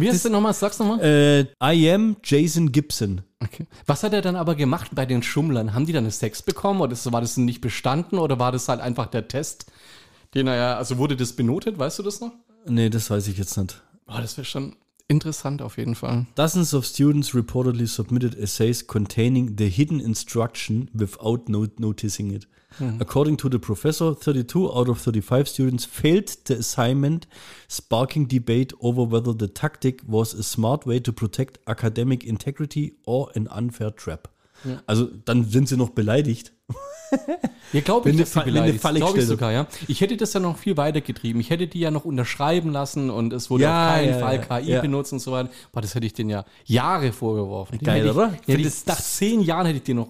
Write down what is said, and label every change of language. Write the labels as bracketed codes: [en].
[de] wie heißt der nochmal? Sag's nochmal. [en] I am Jason Gibson. [de] Okay. Was hat er dann aber gemacht bei den Schummlern? Haben die dann einen Sex bekommen oder war das nicht bestanden oder war das halt einfach der Test, den er ja, also wurde das benotet, weißt du das noch? Nee, das weiß ich jetzt nicht. Boah, das wäre schon, Interessant auf jeden Fall. [en] Dozens of students reportedly submitted essays containing the hidden instruction without noticing it. Mhm. According to the professor, 32 out of 35 students failed the assignment, sparking debate over whether the tactic was a smart way to protect academic integrity or an unfair trap. [de] Ja. Also dann sind sie noch beleidigt. Ja, glaube ich, dass sie beleidigt sind. Glaube ich sogar, ja. Ich hätte das ja noch viel weiter getrieben. Ich hätte die ja noch unterschreiben lassen und es wurde auf keinen Fall KI benutzt und so weiter. Boah, das hätte ich denen ja Jahre vorgeworfen. Den geil, oder? Nach 10 Jahren hätte ich dir noch